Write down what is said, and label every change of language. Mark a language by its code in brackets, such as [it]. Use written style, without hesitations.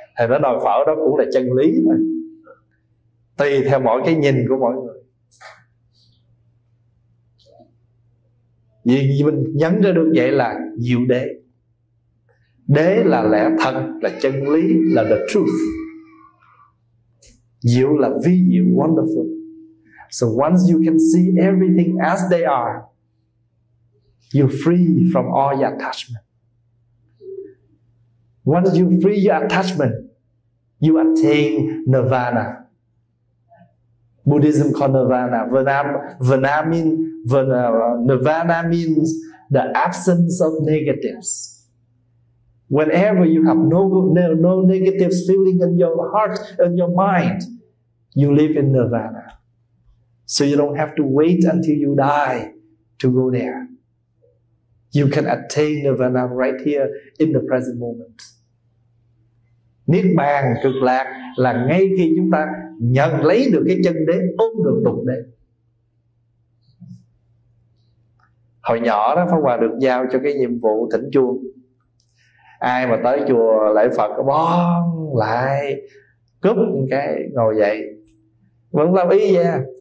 [vi] Thì nó đòi phở đó cũng là chân lý thôi, tùy theo mỗi cái nhìn của mọi người. Vì mình nhấn ra được vậy là diệu đế. Đế là lẽ thật, là chân lý, là the truth. Diệu là vi diệu, wonderful. [en] So once you can see everything as they are, you're free from all your attachment. Once you free your attachment, you attain nirvana. Buddhism called nirvana. Nirvana means the absence of negatives. Whenever you have no negative feeling in your heart, in your mind, you live in nirvana. So you don't have to wait until you die to go there. You can attain nirvana right here in the present moment. [vi] Niết bàn cực lạc là ngay khi chúng ta nhận lấy được cái chân đế, ôm được tục đế. Hồi nhỏ đó Pháp Hòa được giao cho cái nhiệm vụ thỉnh chuông. Ai mà tới chùa lễ Phật bon lại cúp cái ngồi dậy. Vẫn làm ý nha.